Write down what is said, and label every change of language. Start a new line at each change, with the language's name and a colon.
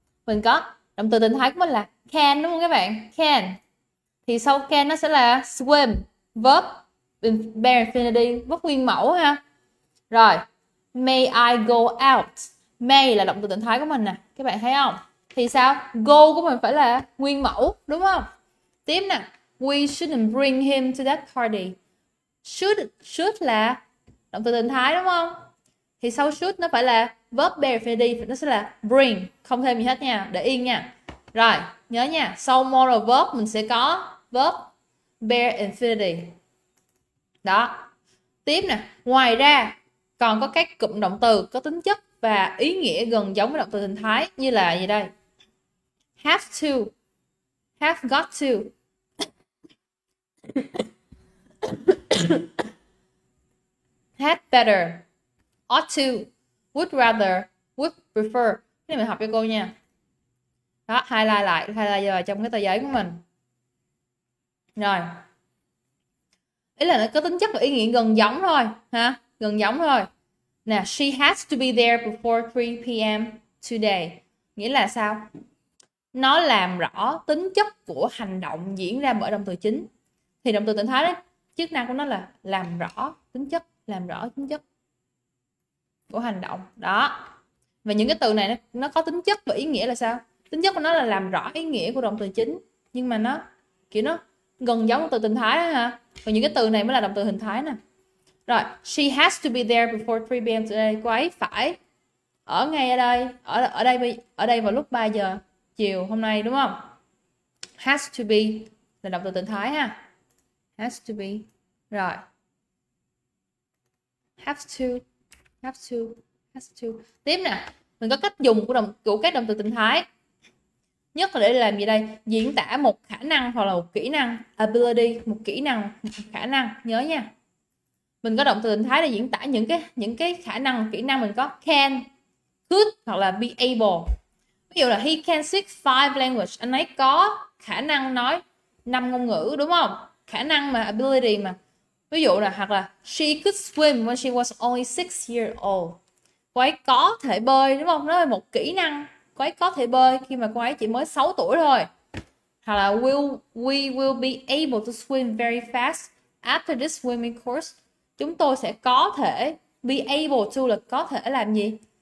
Vietnamese: Mình có động từ tình thái của mình là can đúng không các bạn? Can. Thì sau can nó sẽ là swim, verb bare infinity, verb nguyên mẫu ha. Rồi,
English: may I go out.
Vietnamese: May là động từ tình thái của mình nè, các bạn thấy không? Thì sao? Go của mình phải là nguyên mẫu, đúng không? Tiếp nè,
English: we shouldn't bring him to that party.
Vietnamese: Should là động từ tình thái đúng không? Thì sau should nó phải là verb bare infinity, nó sẽ là bring, không thêm gì hết nha, để yên nha. Rồi, nhớ nha, sau modal verb mình sẽ có verb bare infinity. Đó. Tiếp nè, ngoài ra còn có các cụm động từ có tính chất và ý nghĩa gần giống với động từ tình thái như là gì đây?
English: Have to. Have got to. Had better. Ought to. Would rather. Would prefer.
Vietnamese: Cái này mình học cho cô nha. Đó, highlight lại, highlight vào trong cái tờ giấy của mình. Rồi. Ý là nó có tính chất và ý nghĩa gần giống thôi, ha? Gần giống thôi.
English: Nè, she has to be there before 3 p.m.
Vietnamese: today. Nghĩa là sao? Nó làm rõ tính chất của hành động diễn ra bởi động từ chính. Thì động từ tình thái đấy, chức năng của nó là làm rõ tính chất, làm rõ tính chất của hành động. Đó. Và những cái từ này nó có tính chất và ý nghĩa là sao? Tính chất của nó là làm rõ ý nghĩa của động từ chính, nhưng mà nó kiểu nó gần giống từ tình thái ấy, hả? Và những cái từ này mới là động từ hình thái nè. Rồi,
English: she has to be there before 3 p.m.
Vietnamese: today. Cô ấy phải ở ngay ở đây, ở đây vào lúc 3 giờ chiều hôm nay đúng không? Has to be là động từ tình thái ha. Has to be. Rồi. Have to. Tiếp nè, mình có cách dùng của các động từ tình thái. nhất là để làm gì đây? Diễn tả một khả năng hoặc là một kỹ năng, ability, một kỹ năng, một khả năng, nhớ nha. Mình có động từ tình thái để diễn tả những cái khả năng, kỹ năng mình có: can, could hoặc là be able. Ví dụ là
English: he can speak five language,
Vietnamese: anh ấy có khả năng nói 5 ngôn ngữ, đúng không? Khả năng mà, ability mà. Ví dụ là, hoặc là
English: she could swim when she was only 6 years old.
Vietnamese: Cô ấy có thể bơi, đúng không? Nó là một kỹ năng. Cô ấy có thể bơi khi mà cô ấy chỉ mới 6 tuổi thôi. Hoặc là
English: we will be able to swim very fast after this swimming course.
Vietnamese: Chúng tôi sẽ có thể, be able to là có thể làm gì?